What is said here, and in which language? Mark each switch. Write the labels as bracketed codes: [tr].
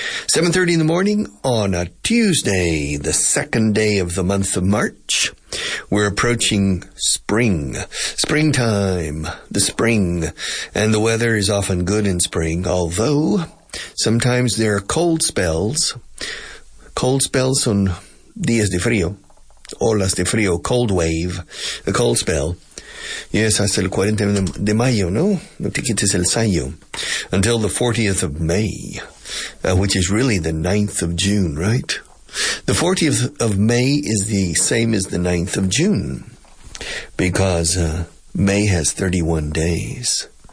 [en] 7:30 in the morning on a Tuesday, the second day of the month of March. We're approaching spring. Springtime. The spring. And the weather is often good in spring, although sometimes there are cold spells. Cold spells [es] son días de frío, olas de frío, [en] cold wave, a cold spell. [es] Yes, hasta el 40 de mayo, ¿no? No te quites el sayo. [en] Until the 40th of May, which is really the 9th of June, right? The 40th of May is the same as the 9th of June, because May has 31 days.